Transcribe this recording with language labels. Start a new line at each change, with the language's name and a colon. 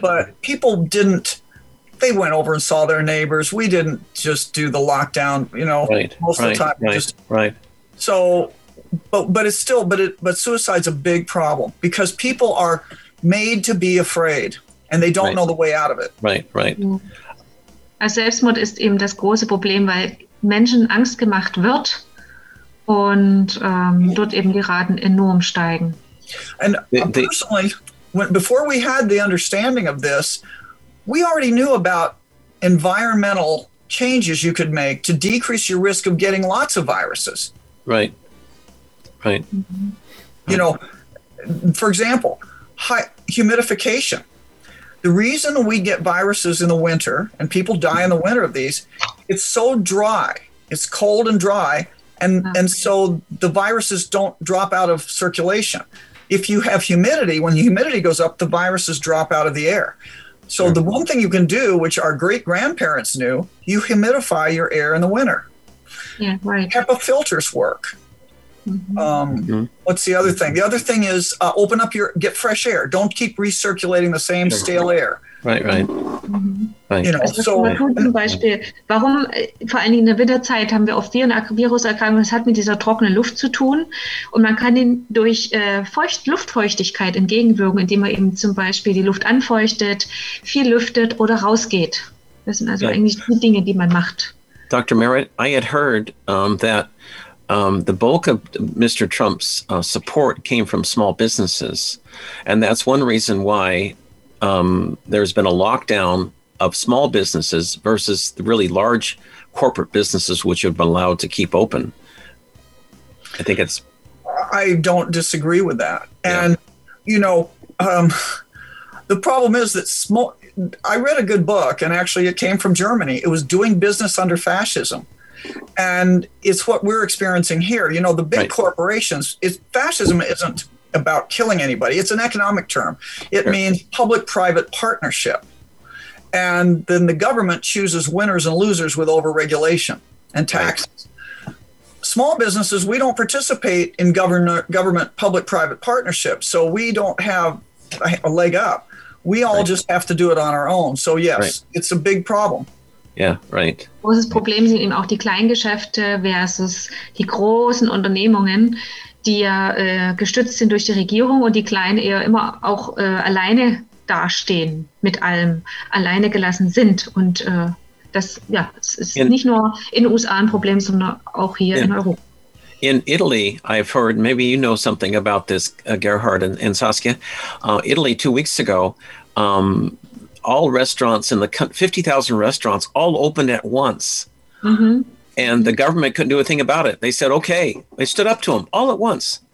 English: But people didn't, they went over and saw their neighbors. We didn't just do the lockdown, you know, most of the time. So, but suicide's a big problem because people are made to be afraid and they don't know the way out of it. Right.
German: Also Selbstmord ist eben das große Problem, weil Menschen Angst gemacht wird und dort eben die Raten enorm steigen.
English: And personally, before we had the understanding of this, we already knew about environmental changes you could make to decrease your risk of getting lots of viruses. Right. Mm-hmm. You know, for example, humidification. The reason we get viruses in the winter and people die in the winter of these, it's so dry. It's cold and dry. And so the viruses don't drop out of circulation. If you have humidity, when the humidity goes up, the viruses drop out of the air. So the one thing you can do, which our great grandparents knew, you humidify your air in the winter. Yeah, right. HEPA filters work. What's the other thing? The other thing is open up your, get fresh air. Don't keep recirculating the same stale air. Right.
German: Zum Beispiel, warum vor allen Dingen in der Winterzeit haben wir oft Viruserkrankungen? Das hat mit dieser trockenen Luft zu tun. Und man kann den durch Luftfeuchtigkeit entgegenwirken, indem man eben zum Beispiel die Luft anfeuchtet, viel lüftet oder rausgeht. Das sind also eigentlich die Dinge, die man macht.
English: Dr. Merritt, I had heard that the bulk of Mr. Trump's support came from small businesses. And that's one reason why there's been a lockdown of small businesses versus the really large corporate businesses, which have been allowed to keep open. I think it's... I don't disagree with that. Yeah. And, you know, the problem is that small... I read a good book, and actually it came from Germany. It was Doing Business Under Fascism. And it's what we're experiencing here. You know, the big corporations, fascism isn't about killing anybody. It's an economic term. It means public-private partnership. And then the government chooses winners and losers with overregulation and taxes. Small businesses, we don't participate in government public-private partnerships, so we don't have a leg up. We all just have to do it on our own. So yes, it's a big problem. Yeah, right.
German: Großes Problem sind eben auch die Kleingeschäfte versus die großen Unternehmungen, die ja gestützt sind durch die Regierung und die Kleinen eher immer auch alleine dastehen mit allem, alleine gelassen sind. Und das ist nicht nur in den USA ein Problem, sondern auch hier in Europa.
English: In Italy, I've heard, maybe you know something about this, Gerhard and Saskia. Italy, 2 weeks ago, all restaurants in the 50,000 restaurants all opened at once. Mm-hmm. And the government couldn't do a thing about it. They said, okay. They stood up to them all at once.